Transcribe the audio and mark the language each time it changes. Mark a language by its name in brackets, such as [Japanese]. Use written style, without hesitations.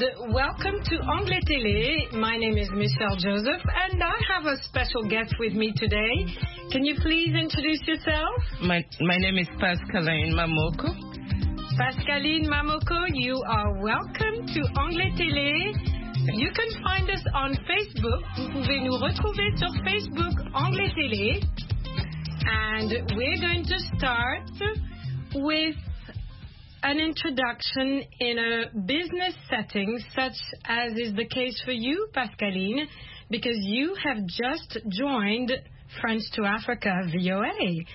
[English] Welcome to Anglais Télé. My name is Michelle Joseph, and I have a special guest with me today. Can you please introduce yourself? My name is Pascaline Mamoko. Pascaline Mamoko, you are welcome to Anglais Télé. You can find us on Facebook. [French] Vous pouvez nous retrouver sur Facebook Anglais Télé. [English] And we're going to start with an introduction in a business setting, such as is the case for you, Pascaline, because you have just joined France to Africa VOA.